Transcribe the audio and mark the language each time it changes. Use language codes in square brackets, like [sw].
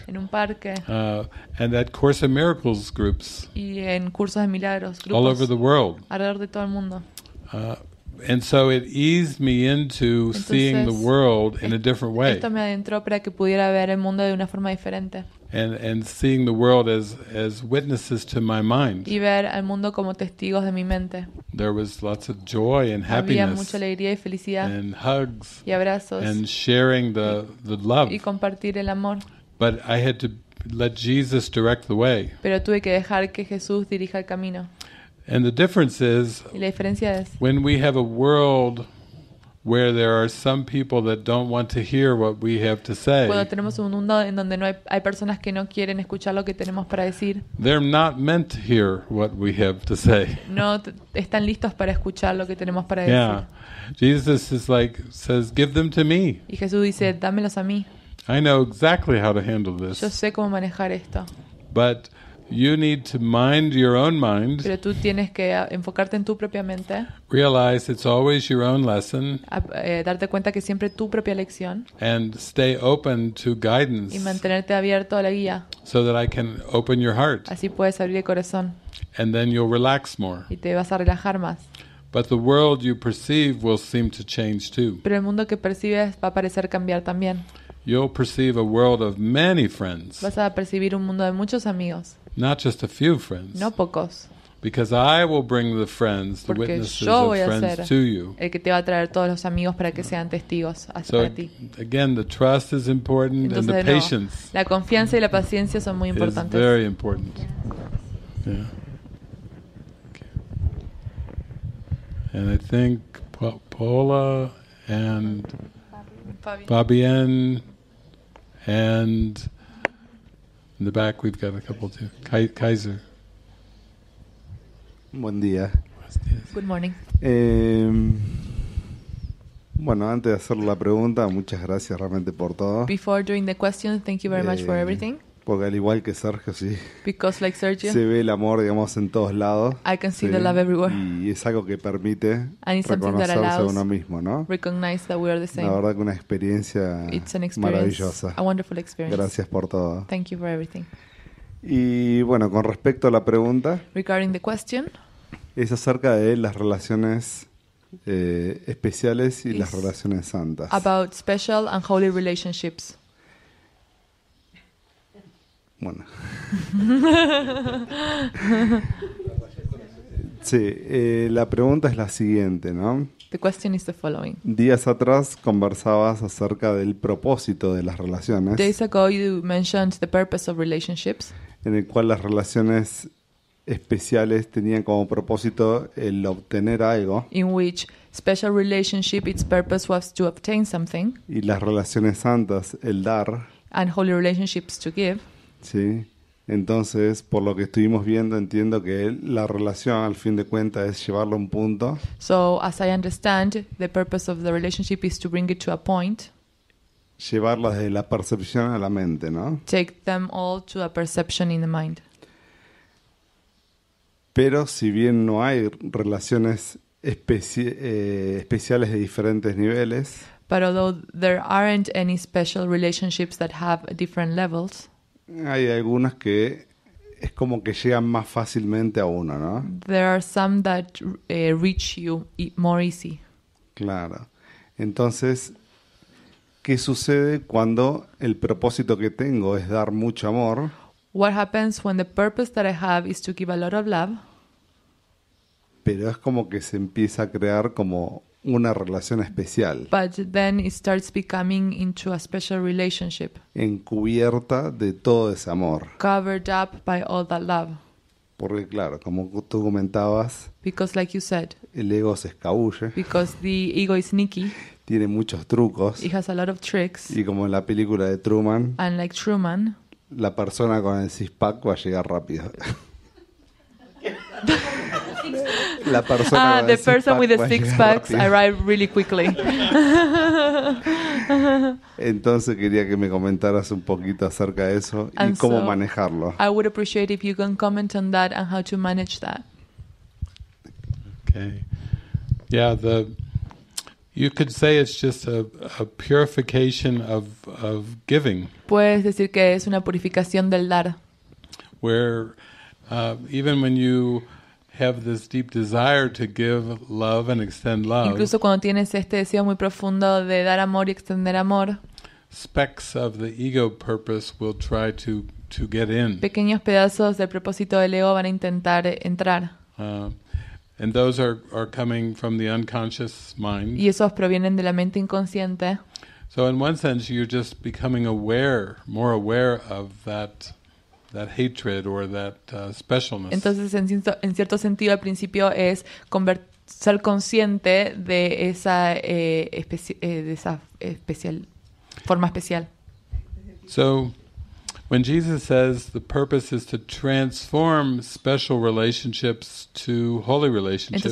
[es] En un parque. [en] And at Course in Miracles groups. [es] Y en cursos de milagros. Grupos [en] all over the world. [es] Alrededor de todo el mundo. [en] And so it eased me into [es] entonces, [en] seeing the world in a different way. [es] Esto me adentró para que pudiera ver el mundo de una forma diferente. [en] And seeing the world as witnesses to my mind. [es] Y ver al mundo como testigos de mi mente. [en] There was lots of joy and happiness. [es] Había mucha alegría y felicidad. [en] And hugs. [es] Y abrazos. [en] And sharing the love. [es] Y compartir el amor. [en] But I had to let Jesus direct the way. [es] Pero tuve que dejar que Jesús dirija el camino. [en] And the difference is, [es] y la diferencia es, [en] when we have a world where there are some people that don't want to hear what we have to say, [es] cuando tenemos un mundo en donde no hay personas que no quieren escuchar lo que tenemos para decir, [en] they're not meant to hear what we have to say. [es] No están listos para escuchar lo que tenemos para decir. [en] Yeah. Jesus is like, says, give them to me. [es] Y Jesús dice, dámelos a mí. [en] I know exactly how to handle this. [es] Yo sé cómo manejar esto. [en] But you need to mind your own mind. [es] Pero tú tienes que enfocarte en tu propia mente. [en] Realize it's always your own lesson. [es] Darte cuenta que siempre tu propia lección. [en] And stay open to guidance. [es] Y mantenerte abierto a la guía. [en] So that I can open your heart. [es] Así puedes abrir el corazón. [en] And then you'll relax more. [es] Y te vas a relajar más. [en] But the world you perceive will seem to change too. [es] Pero el mundo que percibes va a parecer cambiar también. [en] You'll perceive a world of many friends. [es] Vas a percibir un mundo de muchos amigos. [en] Not just a few friends. [es] No pocos. [en] Because I will bring the friends, the [es] Porque [en] witnesses of friends to you. [es] El que te va a traer todos los amigos para que sean testigos hacia [en] so, [es] para ti. [en] Again, the trust is important. [es] Entonces, [en] and the [es] nuevo, [en] patience. [es] La confianza y la paciencia son muy importantes. [en] Is very important. Yeah. And I think Paula and Fabienne and in the back we've got a couple too. Kaiser. [es] Buen día. [en] Good morning. [es] Bueno, antes de hacer la pregunta, muchas gracias realmente por todo. [en] Before doing the question, thank you very much for everything. [es] Porque al igual que Sergio, sí. [en] Because like Sergio. [es] Se ve el amor, digamos, en todos lados. [en] I can see the love everywhere. [es] Y es algo que permite reconocerse a uno mismo, ¿no? [en] Recognize that we are the same. [es] La verdad que una experiencia maravillosa. [en] A wonderful experience. [es] Gracias por todo. [en] Thank you for everything. [es] Y bueno, con respecto a la pregunta. [en] Regarding the question. [es] Es acerca de las relaciones especiales y las relaciones santas. [en] About special and holy relationships. [es] Bueno. Sí, la pregunta es la siguiente, ¿no? [en] The question is the following. [es] Días atrás conversabas acerca del propósito de las relaciones. [en] Days ago you mentioned the purpose of relationships. [es] En el cual las relaciones especiales tenían como propósito el obtener algo. [en] In which special relationship its purpose was to obtain something. [es] Y las relaciones santas el dar. [en] And holy relationships to give. [es] Sí, entonces por lo que estuvimos viendo entiendo que la relación al fin de cuentas es llevarlo a un punto. [en] So as I understand, the purpose of the relationship is to bring it to a point. [es] Llevarla desde la percepción a la mente, ¿no? [en] Take them all to a perception in the mind. [es] Pero si bien no hay relaciones especiales de diferentes niveles. [en] But although there aren't any special relationships that have different levels. [es] Hay algunas que es como que llegan más fácilmente a uno, ¿no? [en] There are some that reach you more easy. [es] Claro. Entonces, ¿qué sucede cuando el propósito que tengo es dar mucho amor? [en] What happens when the purpose that I have is to give a lot of love? [es] Pero es como que se empieza a crear como una relación especial. [en] But then it starts becoming into a special relationship. [es] Encubierta de todo ese amor. [en] Covered up by all that love. [es] Porque claro, como tú comentabas. [en] Because like you said. [es] El ego se escabulle. [en] Because the ego is sneaky. [es] Tiene muchos trucos. [en] It has a lot of tricks. [es] Y como en la película de Truman. [en] And like Truman. [es] La persona con el six pack va a llegar rápido. La persona [en] the person with the six packs arrived really quickly. [es] Entonces quería que me comentaras un poquito acerca de eso [en] and [es] y cómo [en] so, [es] manejarlo. [en] I would appreciate if you can comment on that and how to manage that. Okay. Yeah, the you could say it's just a purification of giving. [es] Puedes decir que es una purificación del dar. [en] Where even when you have this deep desire to give love and extend love. [es] Incluso cuando tienes este deseo muy profundo de dar amor y extender amor. [en] Specks of the ego purpose will try to get in. [es] Pequeños pedazos del propósito del ego van a intentar entrar. [en] And those are coming from the unconscious mind. [es] Y esos provienen de la mente inconsciente. [en] So in one sense you're just becoming aware, more aware of that hatred or that specialness. [es] Entonces en cierto sentido al principio es ser consciente de esa especial forma especial. [en] So when Jesus says the purpose is to transform special relationships to holy relationships.